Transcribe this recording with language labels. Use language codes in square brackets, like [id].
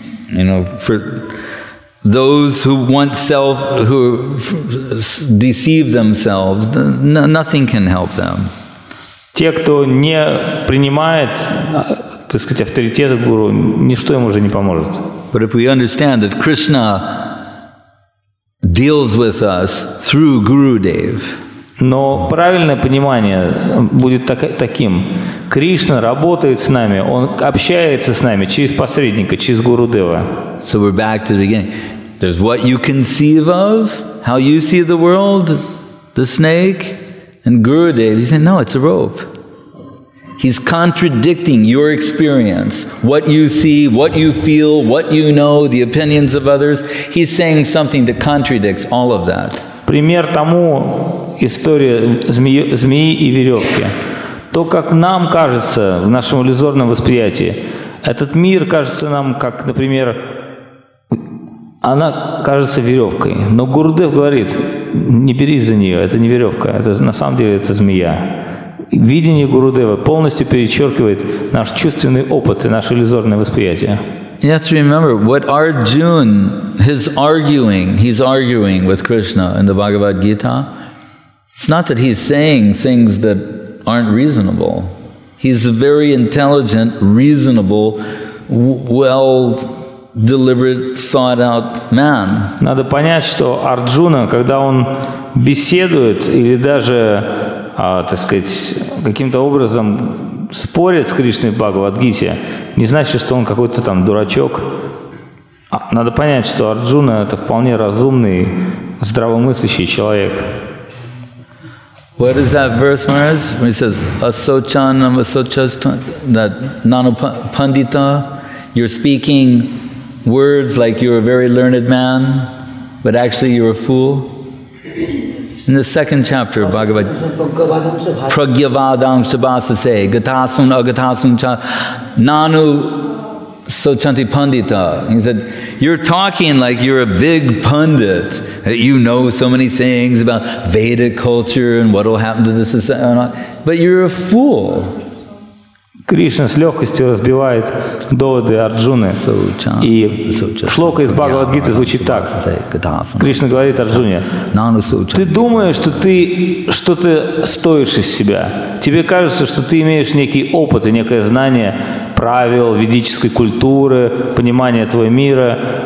[en] You know, for those who want self, who deceive themselves, nothing can help them. [ru] Те, кто не принимает, так сказать, авторитет гуру, ничто ему уже не поможет. [en] But if we understand that Krishna deals with us through Gurudev. [ru] Но правильное понимание будет таким. Кришна работает с нами, он общается с нами через посредника, через Гурудева. [en] So we're back to the beginning. There's what you conceive of, how you see the world, the snake, and Gurudev. He's saying, no, it's a rope. He's contradicting your experience, what you see, what you feel, what you know, the opinions of others. He's saying something that contradicts all of that. [ru] Пример тому история змеи и веревки. То, как нам кажется в нашем иллюзорном восприятии, этот мир кажется нам как, например, она кажется веревкой. Но Гурудев говорит, не берись за нее, это не веревка, это на самом деле это змея. Видение Гурудева полностью перечеркивает наш чувственный опыт и наше иллюзорное восприятие. [en] You have to remember what Arjuna is arguing. He's arguing with Krishna in the Bhagavad Gita. It's not that he's saying things that aren't reasonable. He's a very intelligent, reasonable, well-deliberate, thought-out man. [ru] Надо понять, что Арджуна, когда он беседует или даже, так сказать, каким-то образом спорит с Кришной в Бхагавад-гите, не значит, что он какой-то там дурачок. Надо понять, что Арджуна – это вполне разумный, здравомыслящий человек. [en] What is that verse, Maharaj? He says, [sa] asochanam asochastam, [en] that [sa] nanupandita, [en] you're speaking words like you're a very learned man, but actually you're a fool. In the second chapter of Bhagavad Gita, [sa] Pragyavadam Shabhasase, Gatasun Agatasun Cha, Nanu Sochanti Pandita. [en] He said, you're talking like you're a big pundit, that you know so many things about Vedic culture and what will happen to the society, but you're a fool. [ru] Кришна с легкостью разбивает доводы Арджуны. И шлока из Бхагавад-гиты звучит так. Кришна говорит Арджуне, ты думаешь, что ты что-то стоишь из себя. Тебе кажется, что ты имеешь некий опыт и некое знание правил ведической культуры, понимания твоего мира.